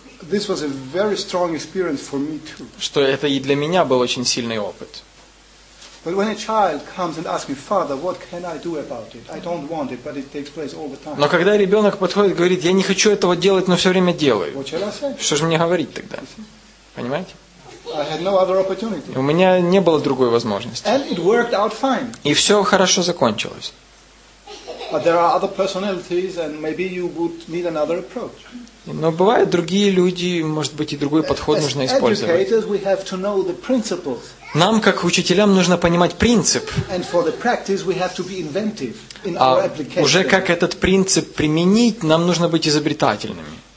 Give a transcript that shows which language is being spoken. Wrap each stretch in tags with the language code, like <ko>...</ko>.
<en>this was a very strong experience for me too.</en> <ru>Что это и для меня был очень сильный опыт.</ru> <en>But when a child comes and asks me, Father, what can I do about it? I don't want it, but it takes place all the time.</en> <ru>Но когда ребенок подходит и говорит, я не хочу этого делать, но все время делаю.</ru> <en>What shall I say?</en> <ru>Что же мне говорить тогда? Понимаете?</ru> <en>I had no other opportunity.</en> <ru>У меня не было другой возможности.</ru> <en>And it worked out fine.</en> <ru>И все хорошо закончилось.</ru> <en>But there are other personalities, and maybe you would need another approach.</en> <ru>Но бывают другие люди, может быть, и другой подход нужно использовать.</ru> <en>As educators, we have to know the principles.</en> <ru>Нам, как учителям, нужно понимать принцип.</ru> <en>And for the practice, we have to be inventive in our application.</en> <ru>А уже как этот принцип применить, нам нужно быть изобретательными.</ru>